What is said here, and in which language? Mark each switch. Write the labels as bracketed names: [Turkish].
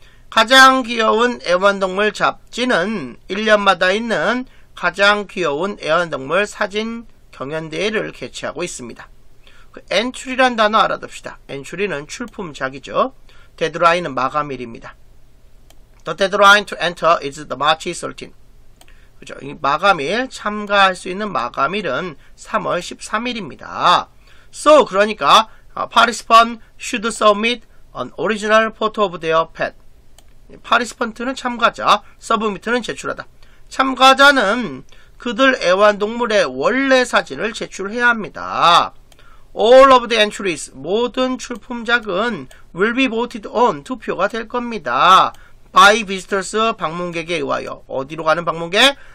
[Korean] 가장 귀여운 애완동물 잡지는 1년마다 있는 가장 귀여운 애완동물 사진 경연대회를 개최하고 있습니다. 그 엔츄리란 단어 알아둡시다. 엔츄리는 출품작이죠. 데드라인은 마감일입니다. [English] The deadline to enter is the March 13. [Korean] 그죠? 이 마감일, 참가할 수 있는 마감일은 3월 13일입니다. [English] So, [Korean] 그러니까 [English] participant should submit an original photo of their pet. [Korean] Participant는 참가자, submit는 제출하다. 참가자는 그들 애완동물의 원래 사진을 제출해야 합니다. [English] All of the entries, [Korean] 모든 출품작은 [English] will be voted on, [Korean] 투표가 될 겁니다. [English] By visitors, [Korean] 방문객에 의하여. 어디로 가는 방문객?